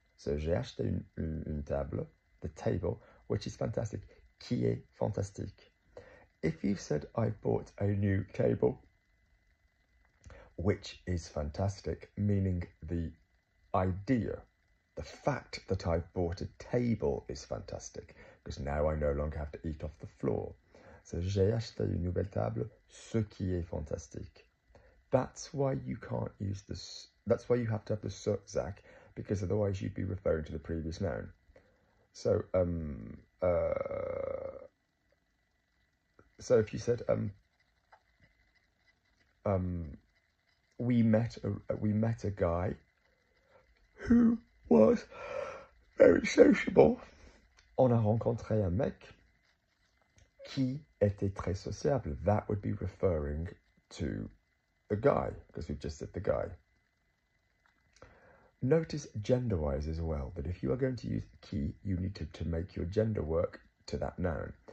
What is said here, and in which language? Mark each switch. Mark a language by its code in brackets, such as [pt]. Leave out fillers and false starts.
[fr] So j'ai acheté une table, [en] the table, which is fantastic, [fr] qui est fantastique. [en] If you've said, I bought a new table, which is fantastic, meaning the idea. The fact that I've bought a table is fantastic because now I no longer have to eat off the floor. [fr] So, j'ai acheté une nouvelle table, ce qui est fantastique. [en] That's why you can't use this. That's why you have to have the ce, Zach, because otherwise you'd be referring to the previous noun. So, so if you said, we met a guy who was very sociable. [fr] On a rencontré un mec qui était très sociable. [en] That would be referring to the guy, because we've just said the guy. Notice gender-wise as well, that if you are going to use qui, you need to make your gender work to that noun.